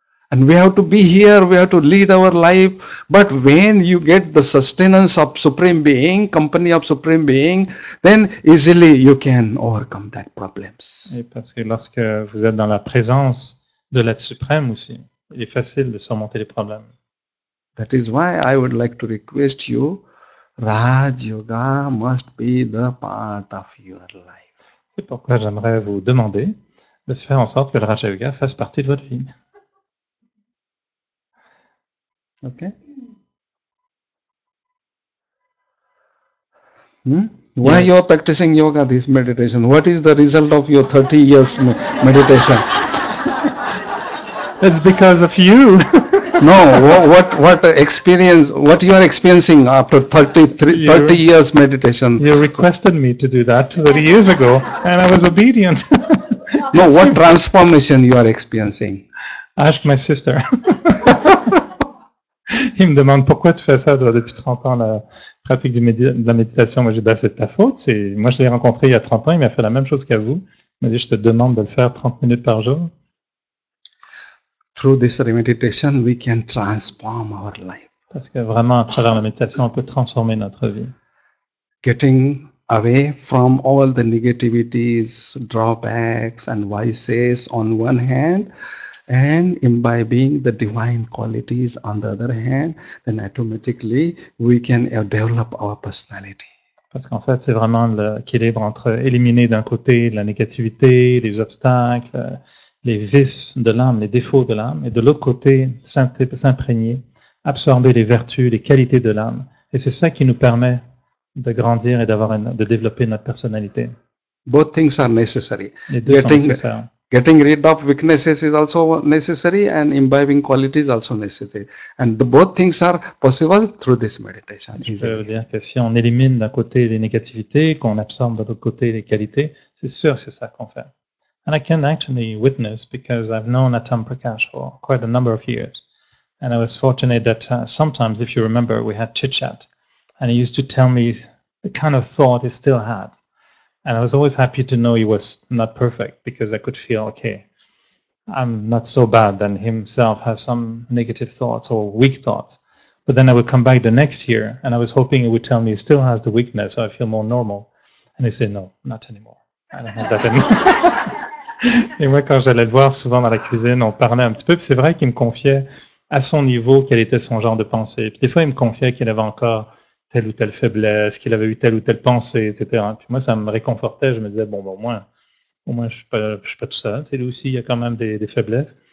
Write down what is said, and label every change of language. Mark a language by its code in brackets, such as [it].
[en] And we have to be here, we have to lead our life. But when you get the sustenance of Supreme Being, company of Supreme Being, then easily you can overcome that problems. [fr] Et parce que lorsque vous êtes dans la présence de l'être suprême aussi, il est facile de surmonter les problèmes. [en] That is why I would like to request you, Raja Yoga must be the part of your life. [fr] C'est pourquoi j'aimerais vous demander de faire en sorte que le Raja Yoga fasse partie de votre vie. [en] Ok? Why yes. You are practicing yoga, this meditation? What is the result of your 30 years meditation? It's because of you. No, what experience, what you are experiencing after 30 years meditation? You requested me to do that 30 years ago, and I was obedient. No, what transformation you are experiencing? Ask my sister. [fr] Il me demande pourquoi tu fais ça, toi, depuis 30 ans, la pratique de la méditation. Moi, j'ai dit, c'est de ta faute. Moi, je l'ai rencontré il y a 30 ans, il m'a fait la même chose qu'à vous. Il m'a dit, je te demande de le faire 30 minutes par jour. [en] Through this meditation, we can transform our life. [fr] Parce que vraiment, à travers la méditation, on peut transformer notre vie. [en] Getting away from all the negativities, drawbacks, and vices on one hand, and imbibing the divine qualities on the other hand, then automatically we can develop our personality. [fr] Parce qu'en fait, c'est vraiment l'équilibre entre éliminer d'un côté la négativité, les obstacles, les vices de l'âme, les défauts de l'âme, et de l'autre côté, s'imprégner, absorber les vertus, les qualités de l'âme. Et c'est ça qui nous permet de grandir et de développer notre personnalité. [en] Both things are necessary. [fr] Les deux sont nécessaires. [en] Getting rid of weaknesses is also necessary, and imbibing qualities is also necessary. And the both things are possible through this meditation. [fr] Je veux dire que si on élimine d'un côté les négativités, qu'on absorbe de l'autre côté les qualités, c'est sûr que c'est ça qu'on fait. [en] And I can actually witness, because I've known Atam Prakash for quite a number of years. And I was fortunate that sometimes, if you remember, we had chit-chat. And he used to tell me the kind of thought he still had. And I was always happy to know he was not perfect, because I could feel, okay, I'm not so bad, then himself has some negative thoughts or weak thoughts. But then I would come back the next year, and I was hoping he would tell me he still has the weakness, so I feel more normal. And he said, no, not anymore. I don't have that anymore. [fr] Et moi, quand j'allais le voir souvent dans la cuisine, on parlait un petit peu, puis c'est vrai qu'il me confiait à son niveau quel était son genre de pensée. Puis des fois, il me confiait qu'il avait encore telle ou telle faiblesse, qu'il avait eu telle ou telle pensée, etc. Puis moi, ça me réconfortait, je me disais, bon, au moins je suis pas tout seul. Tu sais, lui aussi, il y a quand même des faiblesses.